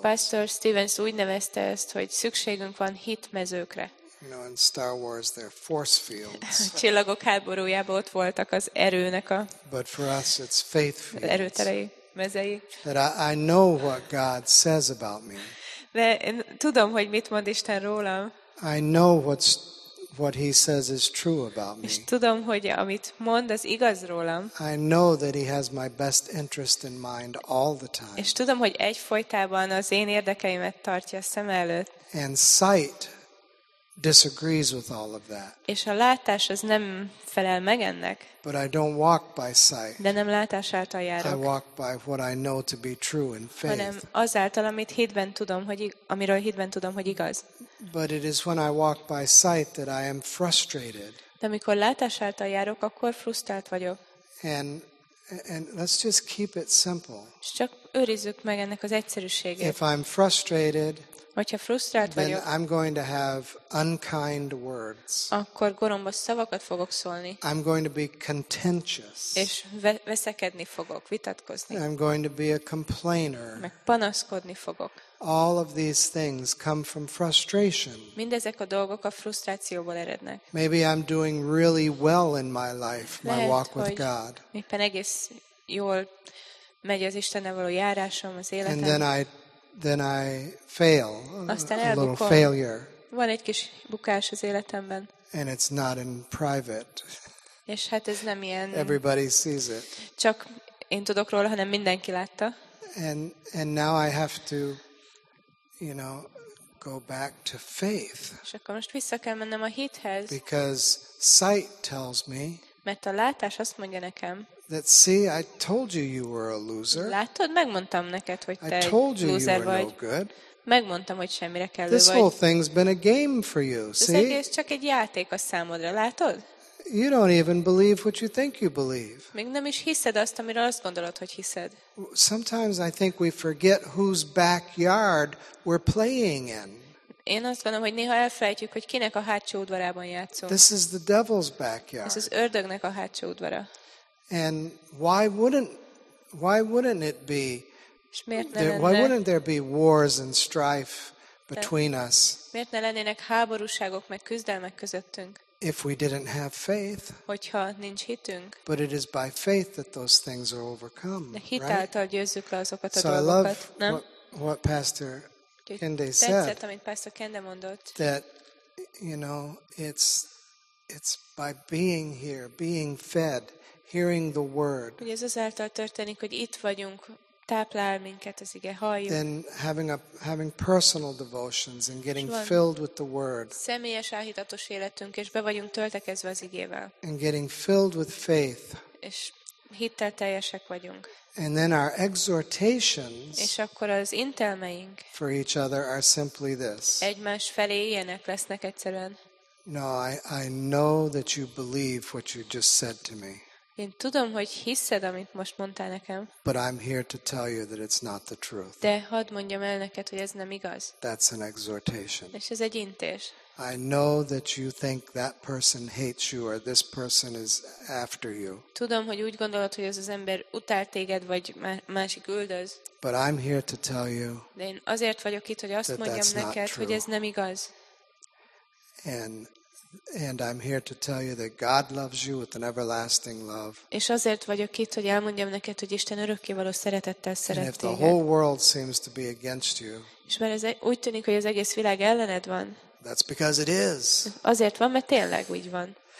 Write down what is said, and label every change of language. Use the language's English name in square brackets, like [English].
[Hungarian] Pastor Stevens úgy nevezte ezt, hogy szükségünk van hitmezőkre. [English] You know, in Star Wars, they're force fields. [Hungarian] Csillagok háborújában ott voltak az erőnek a. [English] But for us, it's faith fields. [Hungarian] Erőterei, mezei. [English] That I know what God says about me. [Hungarian] De én tudom, hogy mit mond Isten rólam. [English] I know what he says is true about me. [Hungarian] És tudom, hogy amit mond, az igaz rólam. [English] I know that he has my best interest in mind all the time. [Hungarian] És tudom, hogy egyfolytában az én érdekeimet tartja szem előtt. [English] And sight disagrees with all of that. [Hungarian] És a látás az nem felel meg ennek. [English] But I don't walk by sight. [Hungarian] De nem látás által járok. [English] I walk by what I know to be true in faith. [Hungarian] Hanem azáltal, amit hitben tudom, hogy amiről hitben tudom, hogy igaz. [English] But it is when I walk by sight that I am frustrated. [Hungarian] De amikor látás által járok, akkor frusztrált vagyok. [English] And let's just keep it simple. [Hungarian] És csak őrizzük meg ennek az egyszerűségét. [English] If I'm frustrated, [Hungarian] hogyha frusztrált [English] then [Hungarian] vagyok, [English] I'm going to have unkind words. [Hungarian] Akkor gorombos szavakat fogok szólni. [English] I'm going to be contentious. [Hungarian] És veszekedni fogok, vitatkozni. [English] I'm going to be a complainer. [Hungarian] Meg panaszkodni fogok. [English] All of these things come from frustration. [Hungarian] Mindezek a dolgok a frusztrációból erednek. [English] Maybe I'm doing really well in my life, my walk with God. [Hungarian] Éppen egész jól megy az Istennel való járásom, az életem. [English] And then I fail. [Hungarian] Aztán [English] a little failure. [Hungarian] Van egy kis bukás az életemben. [English] And it's not in private. [Hungarian] És hát ez nem ilyen. [English] Everybody sees it. [Hungarian] Csak én tudok róla, hanem mindenki látta. [English] And now I have to, you know, go back to faith. [Hungarian] És akkor most vissza kell mennem a hithez. [English] Because sight tells me. [Hungarian] Mert a látás azt mondja nekem. [English] That see, I told you you were a loser. [Hungarian] Látod, megmondtam neked, hogy te [English] I told you loser you were no good. [Hungarian] Megmondtam, hogy semmire kellő [English] this [Hungarian] vagy. [English] This whole thing's been a game for you. See? [Hungarian] Ez egész csak egy játék a számodra, látod? [English] You don't even believe what you think you believe. [Hungarian] Még nem is hiszed azt, amiről azt gondolod, hogy hiszed. [English] Sometimes I think we forget whose backyard we're playing in. [Hungarian] Én azt gondolom, hogy néha elfelejtjük, hogy kinek a hátsó udvarában játszunk. [English] This is the devil's backyard. [Hungarian] Ez az ördögnek a hátsó udvara. [English] And why wouldn't it be? Why wouldn't there be wars and strife between us? [Hungarian] Miért ne lennének háborúságok meg küzdelmek közöttünk? [English] If we didn't have faith. [Hungarian] Hogyha nincs hitünk. [English] But it is by faith that those things are overcome. [Hungarian] De hit által győzzük le azokat a dolgokat. [English] So I love what Pastor Kende said. [Hungarian] Tetszett, amit Pastor Kende mondott. [English] That you know it's by being here, being fed. Hearing the word. [Hungarian] Ugye ez azáltal történik, hogy itt vagyunk, táplál minket az ige, halljuk. [English] Then having personal devotions and getting filled with the word. [Hungarian] Személyes áhítatos életünk, és be vagyunk töltekezve az igével. [English] And getting filled with faith. [Hungarian] És hittel teljesek vagyunk. [English] And then our exhortations. [Hungarian] És akkor az intelmeink. [English] For each other are simply this. [Hungarian] Egymás felé ilyenek lesznek egyszerűen. [English] No, I know that you believe what you just said to me. [Hungarian] Én tudom, hogy hiszed, amit most mondtál nekem. [English] But I'm here to tell you that it's not the truth. [Hungarian] De hadd mondjam el neked, hogy ez nem igaz. [English] That's an exhortation. [Hungarian] És ez egy intés. [English] I know that you think that person hates you or this person is after you. [Hungarian] Tudom, hogy úgy gondolod, hogy ez az ember utál téged vagy másik üldöz. [English] But I'm here to tell you. [Hungarian] De én azért vagyok itt, hogy azt mondjam neked, hogy ez nem igaz. [English] And I'm here to tell you that God loves you with an everlasting love. [Hungarian] És azért vagyok itt, hogy elmondjam neked, hogy Isten örökkévaló szeretettel szeret téged. [English] And if the whole world seems to be against you. [Hungarian] És mert ez úgy tűnik, hogy az egész világ ellened van. [English] That's because it is. [Hungarian] Azért van, mert tényleg úgy van.